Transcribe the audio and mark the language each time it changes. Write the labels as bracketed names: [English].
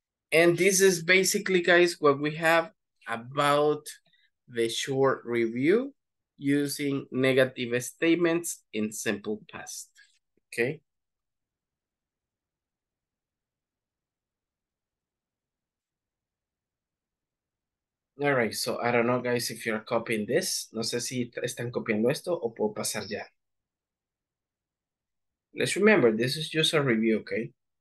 [English] And this is basically, guys, what we have about the short review using negative statements in simple past, okay? All right, so I don't know, guys, if you're copying this. [Spanish] No sé si están copiando esto o puedo pasar ya. [English] Let's remember, this is just a review, okay?